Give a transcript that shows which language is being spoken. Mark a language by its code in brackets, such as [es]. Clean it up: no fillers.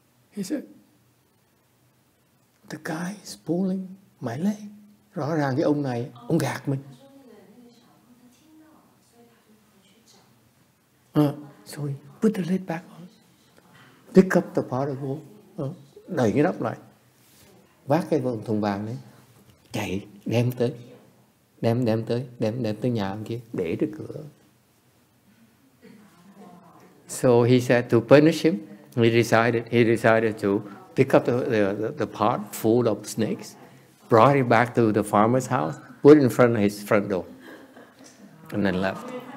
[en] He said, the guy is pulling my leg. [vi] Rõ ràng cái ông này, ông gạt mình. [en] So he put the lid back on. Pick up the pot of gold. [vi] Đẩy cái nắp lại. Vác cái thùng vàng đấy, chạy đem tới nhà ông kia, để trước cửa. [en] So he said to punish him, he decided to pick up the pot full of snakes, brought it back to the farmer's house, put it in front of his front door, and then left.